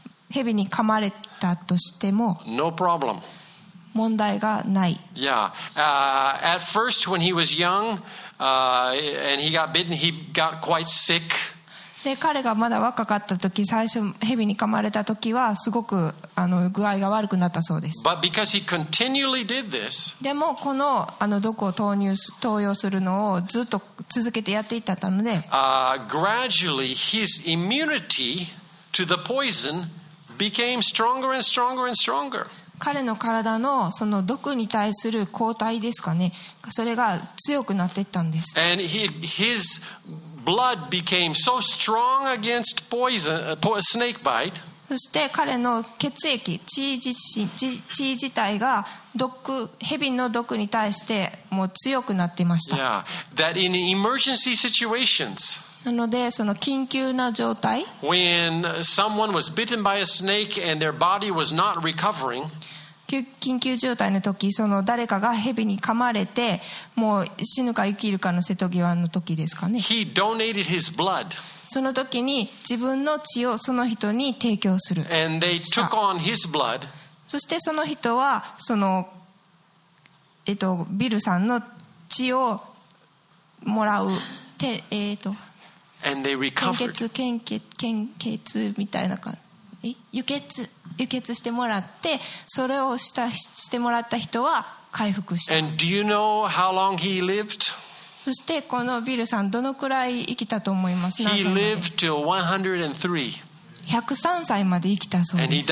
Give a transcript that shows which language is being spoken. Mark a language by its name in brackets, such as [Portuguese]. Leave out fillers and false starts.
[Japanese] 蛇に噛まれたとしても、 [English] no problem. [Japanese] 問題がない。 [English] Yeah. At first, when he was young, and he got bitten, he got quite sick. [Japanese] で、彼がまだ若かった時、最初蛇に噛まれた時はすごく具合が悪くなったそうです。 [English] But because he continually did this, [Japanese] でもこの毒を投与するのをずっと続けてやっていったので、 [English] gradually his immunity to the poison became stronger and stronger and stronger. [Japanese] 彼の体のその毒に対する抗体ですかね、それが強くなっていったんです。 [English] And his blood became so strong against poison, snake bite. [Japanese] そして彼の血液、血自体が毒、蛇の毒に対してもう強くなっていました。 [English] Yeah, that in emergency situations [Japanese] なので、その緊急な状態。 [English] When someone was bitten by a snake and their body was not recovering, [Japanese] 緊急状態の時、その誰かが蛇に噛まれて、もう死ぬか生きるかの瀬戸際の時ですかね。 [English] He donated his blood. [Japanese] その時に自分の血をその人に提供する。 [English] And they took on his blood. [Japanese] そしてその人は、その、ビルさんの血をもらう。て、 [English] And they recovered. [Japanese] 献血みたいな感じ。輸血してもらって、それをしてもらった人は回復した。 [English] And do you know how long he lived? [Japanese] そしてこのビルさんどのくらい生きたと思います [English] か？ He lived till 103. [Japanese] 103歳まで生きたそうです。